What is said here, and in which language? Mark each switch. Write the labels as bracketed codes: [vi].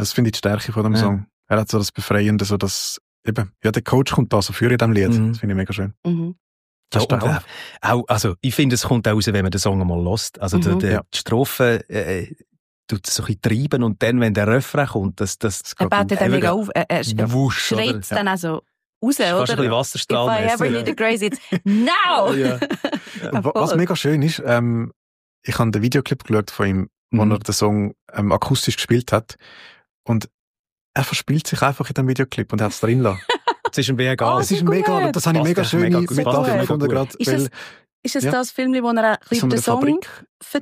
[de] Das finde ich die Stärke von dem Song. Er hat so das Befreiende, so das, eben, ja, der Coach kommt da so für in diesem Lied. Das finde ich mega schön. Ja, auch, also ich finde, es kommt auch raus, wenn man den Song einmal hört. Also die Strophe tut es so ein bisschen treiben und dann, wenn der Refrain kommt, das er baut dann mega auf, schreit es dann auch so raus, oder? Fast ein bisschen Wasserstrahl. [en] If I ever need a grace, it's now! [de] Was mega schön ist, ich habe den Videoclip geschaut von ihm, wo er den Song akustisch gespielt hat und er verspielt sich einfach in dem Videoclip und hat es drin lassen. Es ist ihm egal. Es ist mir egal. Das habe ich mega schöne Metapher gefunden. Ist das, weil, Ist es das Film, wo er ein über den Song erzählt?